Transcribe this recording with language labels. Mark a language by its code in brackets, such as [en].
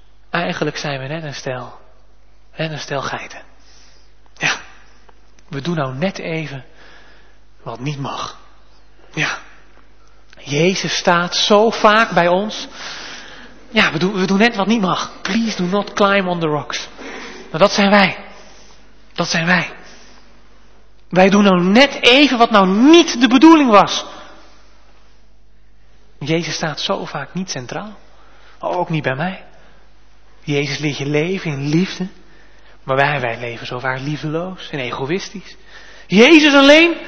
[nl] Eigenlijk zijn we net een stel. Net een stel geiten. Ja. We doen nou net even wat niet mag. Ja. Jezus staat zo vaak bij ons. Ja, we doen net wat niet mag. [en] Please do not climb on the rocks. [nl] Maar dat zijn wij. Dat zijn wij. Wij doen nou net even wat nou niet de bedoeling was. Jezus staat zo vaak niet centraal. Ook niet bij mij. Jezus liet je leven in liefde. Maar wij leven zo vaak liefdeloos en egoïstisch. Jezus alleen?